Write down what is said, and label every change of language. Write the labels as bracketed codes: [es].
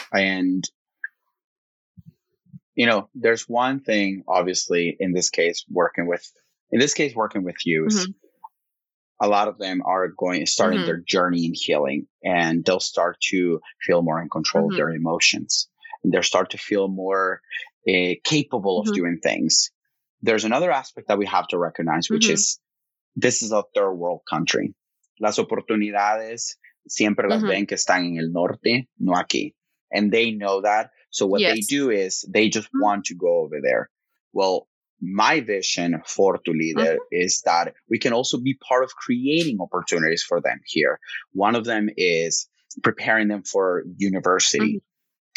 [en] And, you know, there's one thing, obviously, in this case, working with youth, mm-hmm. a lot of them are starting mm-hmm. their journey in healing, and they'll start to feel more in control mm-hmm. of their emotions. And they'll start to feel more capable mm-hmm. of doing things. There's another aspect that we have to recognize, which mm-hmm. is this is a third world country. [es] Las oportunidades siempre las ven que están en el norte, no aquí. [en] And they know that. So what they do is they just mm-hmm. want to go over there. Well, my vision for Tu Líder mm-hmm. is that we can also be part of creating opportunities for them here. One of them is preparing them for university, mm-hmm.